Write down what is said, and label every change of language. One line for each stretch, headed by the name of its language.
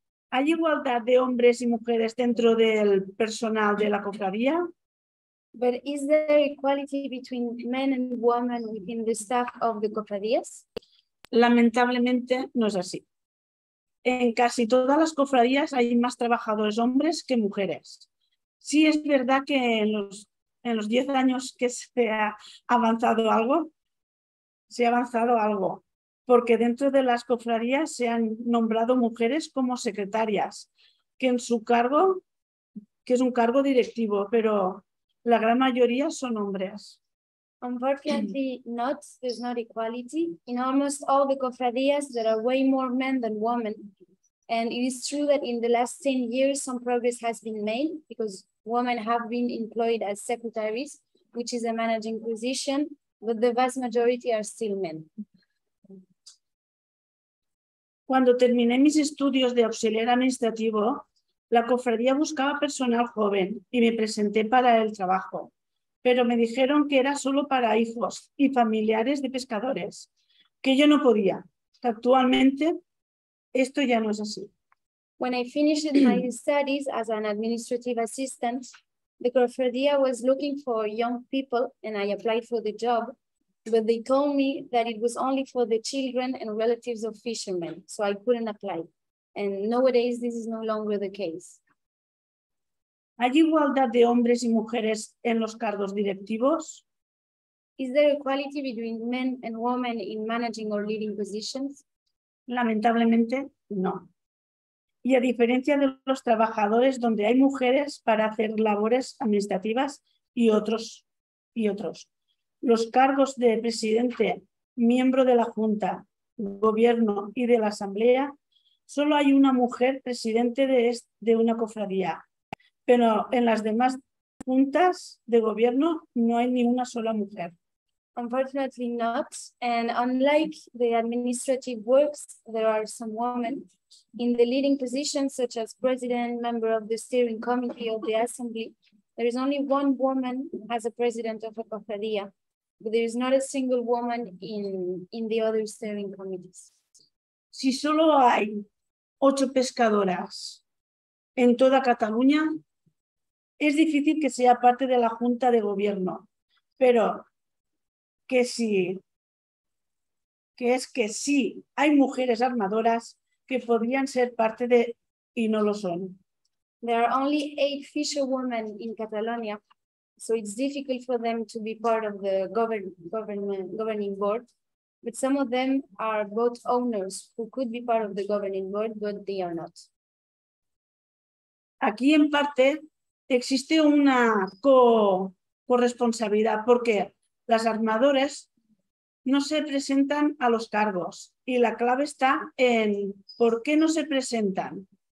Spanish: ¿Hay igualdad de hombres y mujeres dentro del personal de la cofradía?
English: But is there equality between men and women within the staff of the cofradías?
Spanish: Lamentablemente no es así. En casi todas las cofradías hay más trabajadores hombres que mujeres. Sí es verdad que en los 10 años que se ha avanzado algo, porque dentro de las cofradías se han nombrado mujeres como secretarias, que en su cargo, que es un cargo directivo, pero la gran mayoría son hombres.
English: Unfortunately, not, there's not equality. In almost all the cofradías, there are way more men than women. And it is true that in the last 10 years, some progress has been made because women have been employed as secretaries, which is a managing position, but the vast majority are still men.
Spanish: Cuando terminé mis estudios de auxiliar administrativo, la cofradía buscaba personal joven y me presenté para el trabajo. Pero me dijeron que era solo para hijos y familiares de pescadores, que yo no podía. Actualmente, esto ya no es así.
English: When I finished my studies as an administrative assistant, the cofradía was looking for young people and I applied for the job. But they told me that it was only for the children and relatives of fishermen, so I couldn't apply. And nowadays, this is no longer the case.
Spanish: ¿Hay igualdad de hombres y mujeres en los cargos directivos?
English: Is there equality between men and women in managing or leading positions?
Spanish: Lamentablemente, no. Y a diferencia de los trabajadores donde hay mujeres para hacer labores administrativas y otros. Los cargos de presidente, miembro de la Junta, gobierno y de la Asamblea, solo hay una mujer presidente de una cofradía. Pero en las demás juntas de gobierno no hay ni una sola mujer.
English: Unfortunately not. And unlike the administrative works, there are some women in the leading positions, such as president, member of the steering committee of the assembly. There is only one woman as a president of a cofradía. But there is not a single woman in the other steering committees.
Spanish: Si solo hay 8 pescadoras en toda Cataluña, es difícil que sea parte de la Junta de Gobierno. Pero que si, que es que sí hay mujeres armadoras que podrían ser parte de, y no lo son.
English: There are only 8 fisherwomen in Catalonia. So it's difficult for them to be part of the governing board, but some of them are boat owners who could be part of the governing board, but they are not.
Spanish: Aquí en parte existe una corresponsabilidad porque las armadoras no se presentan a los cargos y la clave está en por qué no se presentan.